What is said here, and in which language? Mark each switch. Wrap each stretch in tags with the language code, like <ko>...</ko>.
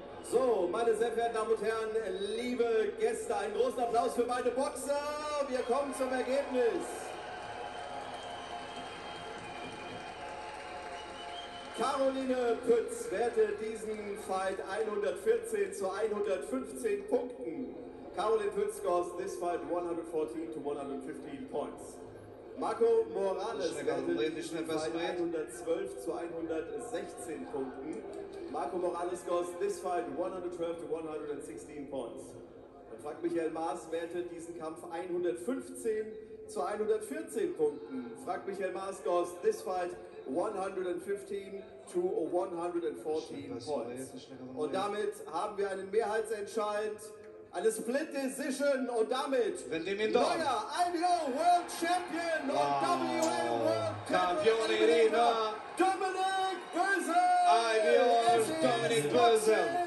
<de>So, meine sehr verehrten Damen und Herren, liebe Gäste, einen großen Applaus für beide Boxer. Wir kommen zum Ergebnis. Caroline Pütz wertet diesen Fight 114 zu 115 Punkten.</de> <en>Caroline Pütz scores this fight 114 to 115 points. Marco Morales wertet diesen Fight 112 zu 116 Punkten. Marco Morales scores this fight 112 to 116 points.</en> <de>Frank Michael Maas wertet diesen Kampf 115 zu 114 Punkten.</de> <en>Frank Michael Maas scores this fight 115 to 114 points.</en> <de>Und damit haben wir einen Mehrheitsentscheid, eine Split Decision und damit neuer IBO World Champion und WA World Champion Dominik Bosel. IBO Dominik Bosel.</de>